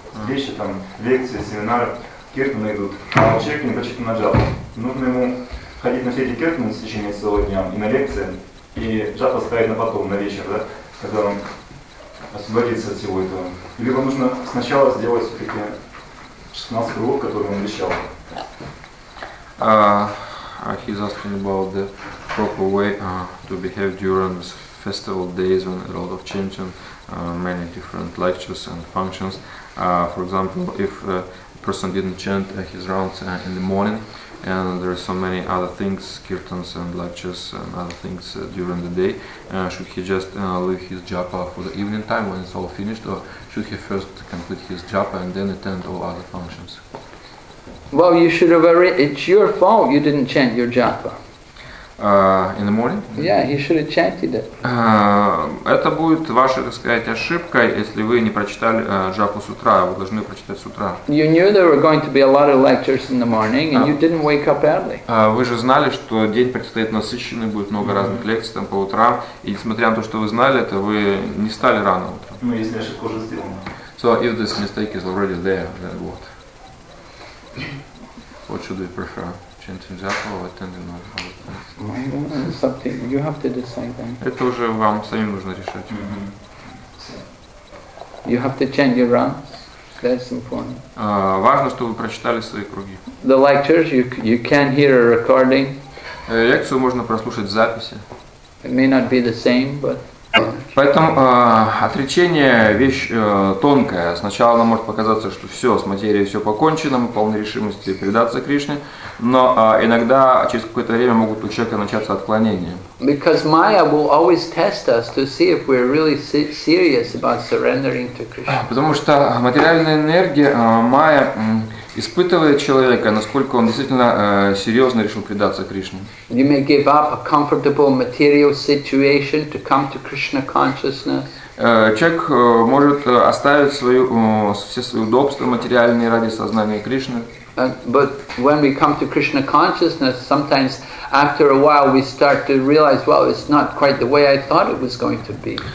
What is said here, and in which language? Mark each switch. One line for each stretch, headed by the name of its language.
Russian: Встречи, там, лекции, семинары, киртаны идут, а человек не прочитан на джапу. Нужно ему ходить на все эти киртаны в течение целого дня и на лекции, и джапа ставить на потом, на вечер, да, когда он освободится от всего этого. Либо нужно сначала сделать все-таки 16 кругов, которые он обещал.
English: He's asking about the proper way to behave during this festival days when a lot of chanting, many different lectures and functions. For example, if a person didn't chant his rounds in the morning, and there are so many other things, kirtans and lectures and other things during the day, should he just leave his japa for the evening time when it's all finished, or should he first complete his japa and then attend all other functions? Well, you should have arranged. It's your fault you didn't chant your japa. In the morning? Yeah, he should have chanted it.
Russian: Это будет ваша, так сказать, ошибка, если вы не прочитали джапу с утра, вы должны прочитать с утра.
English: You knew there were going to be a lot of lectures in the morning, and you didn't wake up early.
Russian: Вы же знали, что день предстоит насыщенный, будет много разных лекций там по утрам, и несмотря на то, что вы знали это, вы не встали рано утром. Ну, если ошибка уже сделана.
English: So, if this mistake is already there, then what? What should we prefer? Chanting japa or attending other things? Something you have to decide then.
Russian: Это уже вам самим нужно решать.
English: Mm-hmm. You have to chant your rounds. That's important.
Russian: Важно, чтобы вы прочитали свои круги.
English: The lectures you can hear a recording.
Russian: Лекцию можно прослушать в записи.
English: It may not be the same, but.
Russian: Поэтому отречение вещь тонкая. Сначала нам может показаться, что все, с материей все покончено, мы полны решимости предаться Кришне. Но иногда через какое-то время могут у человека начаться отклонения.
English: Because Maya will always test us to see if we're really serious about surrendering to Krishna.
Russian: Потому что материальная энергия Maya испытывает человека, насколько он действительно серьезно решил предаться Кришне.
English: You may give up a comfortable material situation to come to Krishna consciousness.
Russian: Человек может оставить свою, все свои удобства материальные ради сознания Кришны.
English: But when we come to Krishna consciousness, sometimes after a while we start to realize, well, it's not quite the way I thought it was going to be.